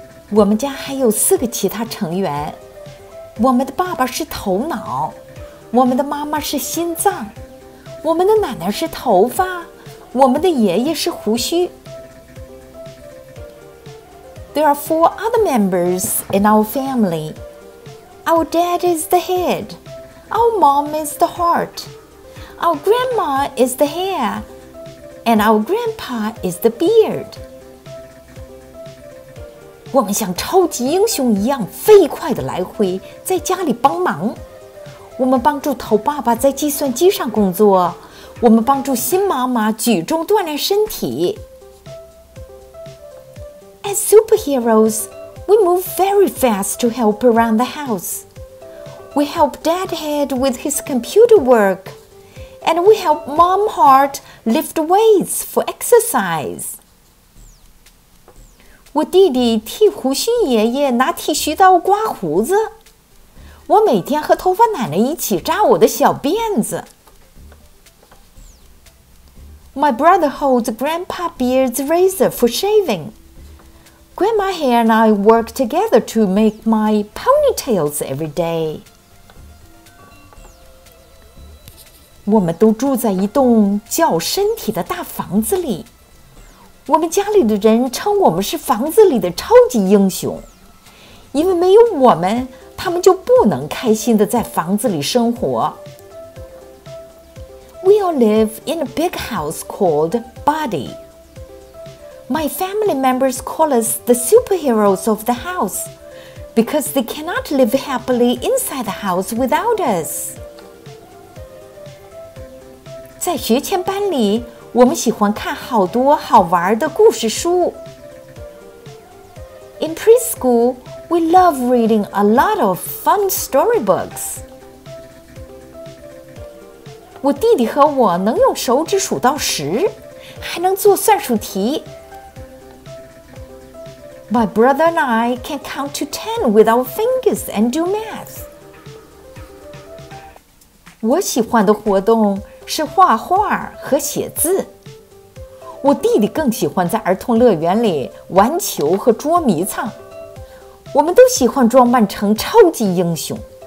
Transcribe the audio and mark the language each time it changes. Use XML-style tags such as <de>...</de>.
<zh>我们家还有四个其他成员。我们的爸爸是头脑，我们的妈妈是心脏，我们的奶奶是头发，我们的爷爷是胡须。</zh> <en>There are four other members in our family. Our dad is the head. Our mom is the heart. Our grandma is the hair. And our grandpa is the beard.</en> <zh>我们像超级英雄一样飞快地来回，在家里帮忙。我们帮助头爸爸在计算机上工作，我们帮助新妈妈举重锻炼身体。</zh> <en>As superheroes, we move very fast to help around the house. We help Dad Head with his computer work, and we help Mom Heart lift weights for exercise.</en> <zh>我弟弟替胡须爷爷拿剃须刀刮胡子，我每天和头发奶奶一起扎我的小辫子。</zh> <en>My brother holds Grandpa Beard's razor for shaving. Grandma Hair and I work together to make my ponytails every day.</en> <zh>我们都住在一栋叫身体的大房子里。我们家里的人称我们是房子里的超级英雄，因为没有我们，他们就不能开心地在房子里生活。</zh> <en>We all live in a big house called Body. My family members call us the superheroes of the house because they cannot live happily inside the house without us.</en> <zh>在学前班里，我们喜欢看好多好玩的故事书。</zh> <en>In preschool, we love reading a lot of fun storybooks.</en> <zh>我弟弟和我能用手指数到十，还能做算术题。</zh> <en>My brother and I can count to 10 with our fingers and do math.</en> <zh>我喜欢的活动是画画和写字。我弟弟更喜欢在儿童乐园里玩球和捉迷藏。我们都喜欢装扮成超级英雄。</zh>